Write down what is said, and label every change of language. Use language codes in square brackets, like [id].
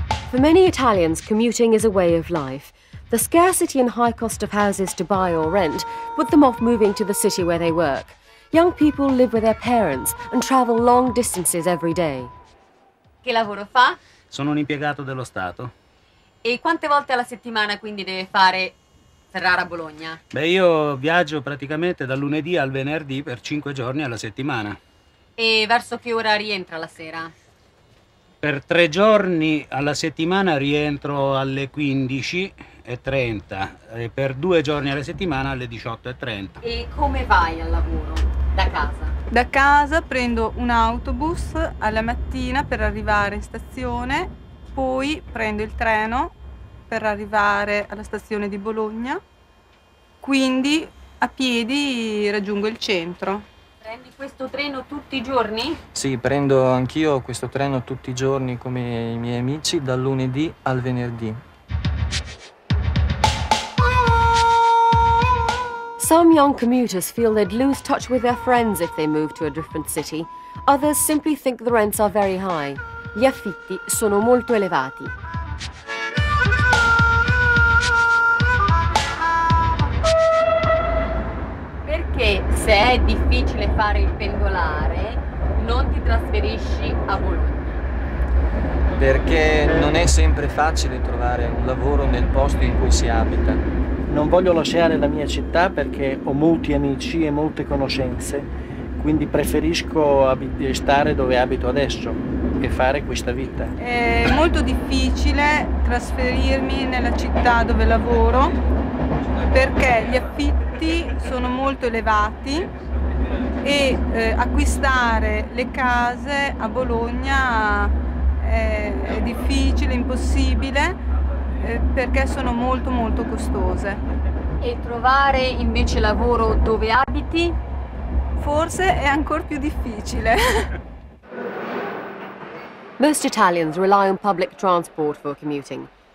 [en] For many Italians, commuting is a way of life. The scarcity and high cost of houses to buy or rent put them off moving to the city where they work. Young people live with their parents and travel long distances every day. [it] Che lavoro fa? Sono un impiegato dello Stato. E quante volte alla settimana quindi deve fare Ferrara-Bologna? Beh, io viaggio praticamente dal lunedì al venerdì per 5 giorni alla settimana. E verso che ora rientra la sera? Per 3 giorni alla settimana rientro alle 15:30 e per 2 giorni alla settimana alle 18:30. E come vai al lavoro? Da casa? Da casa prendo un autobus alla mattina per arrivare in stazione, poi prendo il treno per arrivare alla stazione di Bologna, quindi a piedi raggiungo il centro. Prendi questo treno tutti i giorni? Sì, prendo anch'io questo treno tutti i giorni come i miei amici dal lunedì al venerdì. [en] Some young commuters feel they'd lose touch with their friends if they move to a different city. Others simply think the rents are very high. [it] Gli affitti sono molto elevati. Se è difficile fare il pendolare, non ti trasferisci a Bologna. Perché non è sempre facile trovare un lavoro nel posto in cui si abita. Non voglio lasciare la mia città perché ho molti amici e molte conoscenze, quindi preferisco stare dove abito adesso e fare questa vita. È molto difficile trasferirmi nella città dove lavoro perché gli affitti sono molto elevati e acquistare le case a Bologna è difficile, impossibile, perché sono molto molto costose. E trovare invece lavoro dove abiti? Forse è ancora più difficile. [en] Most Italians rely on public transport for commuting.